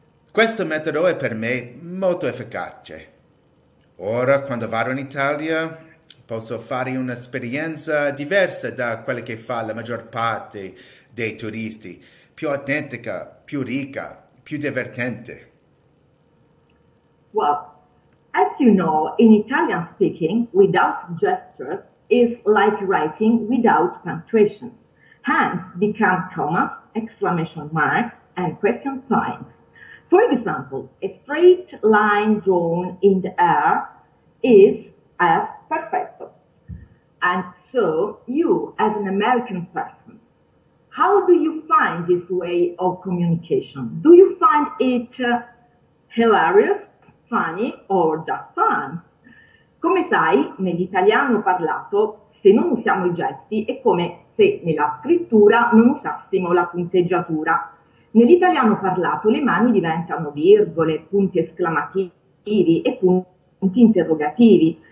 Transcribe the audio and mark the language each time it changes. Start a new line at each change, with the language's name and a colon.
Italian: Questo metodo è per me molto efficace. Ora, quando vado in Italia, posso fare un'esperienza diversa da quella che fa la maggior parte dei turisti, più autentica, più ricca, più divertente.
English: Well, as you know, in Italian speaking, without gestures is like writing without punctuation. Hence, become commas, exclamation marks, and question signs. For example, a straight line drawn in the air is as perfecto. And so, you, as an American person, how do you find this way of communication? Do you find it hilarious, funny, or just fun?
Italian: Come sai, nell'italiano parlato, se non usiamo i gesti, è come se nella scrittura non usassimo la punteggiatura. Nell'italiano parlato le mani diventano virgole, punti esclamativi e punti interrogativi.